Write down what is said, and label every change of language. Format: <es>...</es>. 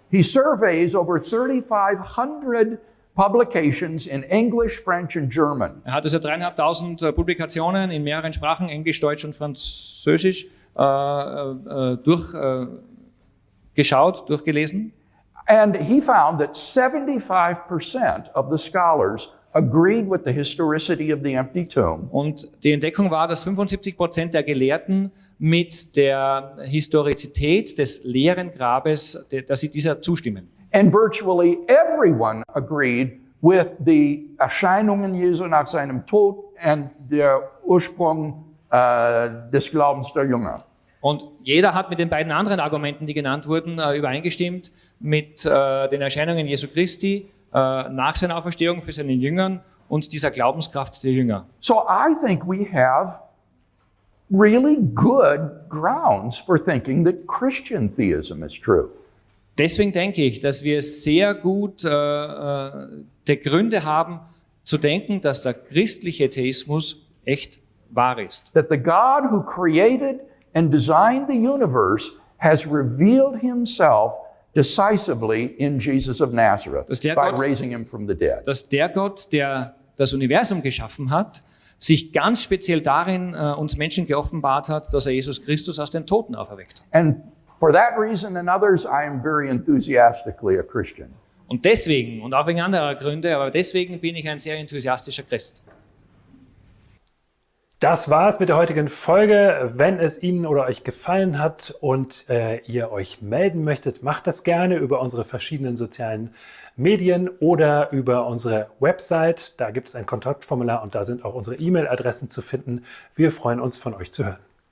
<en>He surveys over 3,500 publications in English, French and German.</en> <de>Er hat also 3,500 Publikationen in mehreren Sprachen, Englisch, Deutsch und Französisch, durchgeschaut, durchgelesen.</de> <en>And he found that 75% of the scholars agreed with the historicity of the empty tomb.</en> <de>Und die Entdeckung war, dass 75% der Gelehrten mit der Historizität des leeren Grabes, dass sie dieser zustimmen.</de> <en>And virtually everyone agreed with the</en> <de>Erscheinungen Jesu nach seinem Tod</de> <en>and</en> <de>der Ursprung des Glaubens der Jünger. Und jeder hat mit den beiden anderen Argumenten, die genannt wurden, übereingestimmt, mit den Erscheinungen Jesu Christi nach seiner Auferstehung für seinen Jüngern und dieser Glaubenskraft der Jünger.</de> <en>So I think we have really good grounds for thinking that Christian theism is true.</en> <de>Deswegen denke ich, dass wir sehr gut die Gründe haben zu denken, dass der christliche Theismus echt wahr ist.</de> <en>That the God who created and designed the universe has revealed himself decisively in Jesus of Nazareth by raising him from the dead.</en> <de>Dass der Gott, der das Universum geschaffen hat, sich ganz speziell darin uns Menschen geoffenbart hat, dass er Jesus Christus aus den Toten auferweckt.</de> <en>And for that reason and others, I am very enthusiastically a Christian.</en> <de>Und deswegen, und auch wegen anderer Gründe, aber deswegen bin ich ein sehr enthusiastischer Christ. Das war's mit der heutigen Folge. Wenn es Ihnen oder euch gefallen hat und ihr euch melden möchtet, macht das gerne über unsere verschiedenen sozialen Medien oder über unsere Website. Da gibt es ein Kontaktformular und da sind auch unsere E-Mail-Adressen zu finden. Wir freuen uns, von euch zu hören.</de>